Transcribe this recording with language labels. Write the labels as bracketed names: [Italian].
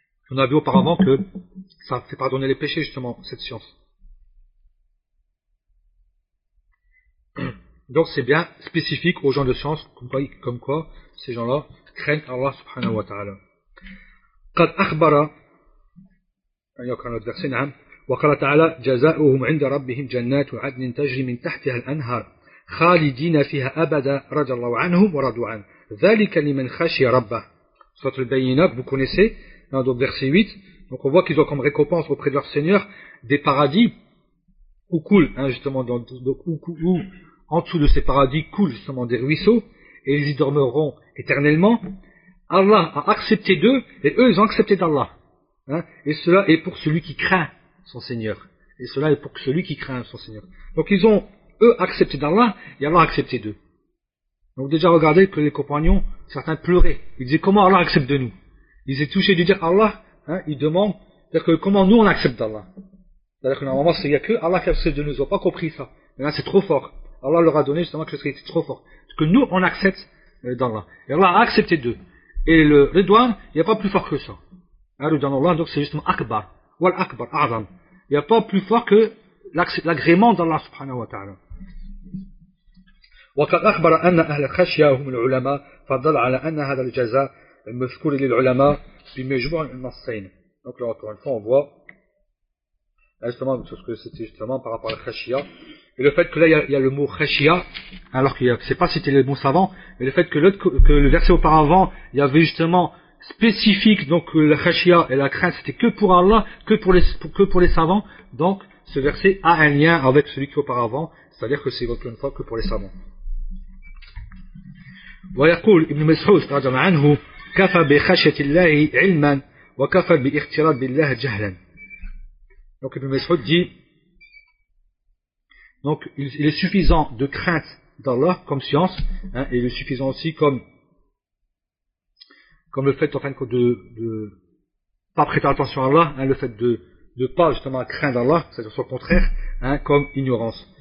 [French] On a vu auparavant que ça fait pardonner les péchés, justement, cette science. Donc, c'est bien spécifique aux gens de science, comme quoi ces gens-là craignent Allah subhanahu wa ta'ala. [Arabic] Qad akhbara, [French] il y a encore un autre verset, n'aim. [Arabic] وقال تعالى جزاؤهم عند ربهم جنات عدن تجري من تحتها الأنهار خالدين فيها أبدا رضي الله عنهم ورضوا عنه ذلك لمن خشي ربه. [French] Sourate al-Bayyinah, vous connaissez, dans le verset 8, donc on voit qu'ils ont comme récompense auprès de leur Seigneur des paradis où coulent, hein, justement, où en dessous de ces paradis coulent justement des ruisseaux, et ils y dormeront éternellement. Allah a accepté d'eux, et eux ils ont accepté d'Allah. Hein, et cela est pour celui qui craint son Seigneur. Et cela est pour celui qui craint son Seigneur. Donc ils ont, eux, accepté d'Allah, et Allah a accepté d'eux. Donc déjà, regardez que les compagnons, certains pleuraient. Ils disaient, comment Allah accepte de nous? Ils étaient touchés de dire, Allah, hein, ils demandent, c'est-à-dire que comment nous on accepte d'Allah? C'est-à-dire que normalement, il n'y a que Allah qui accepte de nous. Ils n'ont pas compris ça. Mais là, c'est trop fort. Allah leur a donné justement que c'était trop fort. Que nous, on accepte d'Allah. Et Allah a accepté d'eux. Et le Ridwan, il n'y a pas plus fort que ça. Hein, Ridwan Allah, donc c'est justement Akbar. Wal Akbar, Adam. Il n'y a pas plus fort que l'agrément d'Allah subhanahu wa ta'ala. [Arabic] وقد أخبر أن أهل الخشية هم العلماء فضل على أن هذا الجزاء المذكور للعلماء بمجموع النصين. [French] Donc là, encore une fois, on voit justement ce que c'était justement par rapport à la khashia. Et le fait que là, il y a le mot khashia, alors que c'est pas cité le mot savant, mais le fait que, le verset auparavant, il y avait justement spécifique, donc la khashia et la crainte, c'était que pour Allah, que pour les savants. Donc, ce verset a un lien avec celui qui auparavant, c'est-à-dire que c'est encore une fois que pour les savants. [Arabic] ويقول ابن مسعود رضي الله عنه كفى بخشية الله علما وكفى باختلاط بالله جهلا. [French] Donc ibn Mas'ud dit, donc il est suffisant de crainte d'Allah comme science, hein, et il est suffisant aussi comme le fait en fin de compte de pas prêter attention à Allah, hein, le fait de pas justement craindre Allah, c'est-à-dire son contraire, hein, comme ignorance.